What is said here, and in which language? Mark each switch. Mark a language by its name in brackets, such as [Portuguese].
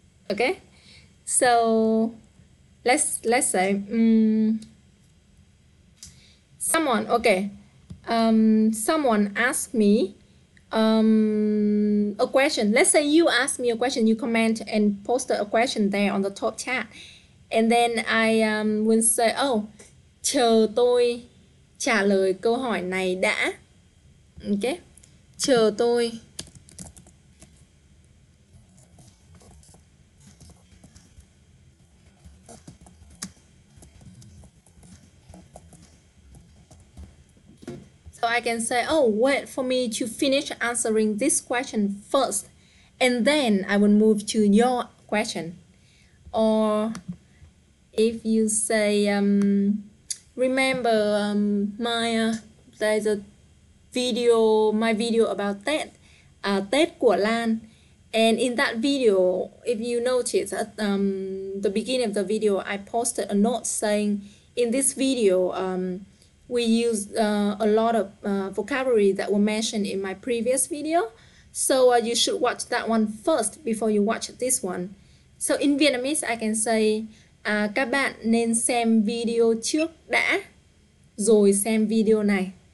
[English] Okay? So let's say someone, okay. Someone asked me a question. Let's say you ask me a question, you comment and post a question there on the top chat. And then I will say, oh, [Vietnamese] chờ tôi trả lời câu hỏi này đã. Ok. Chờ tôi. [English] I can say, oh, wait for me to finish answering this question first, and then I will move to your question. Or if you say, remember there's a video my video about Tết Tết của Lan, and in that video if you notice at the beginning of the video I posted a note saying in this video we use a lot of vocabulary that were mentioned in my previous video, so you should watch that one first before you watch this one. So in Vietnamese I can say, [Vietnamese] các bạn nên xem video trước đã, rồi xem video này.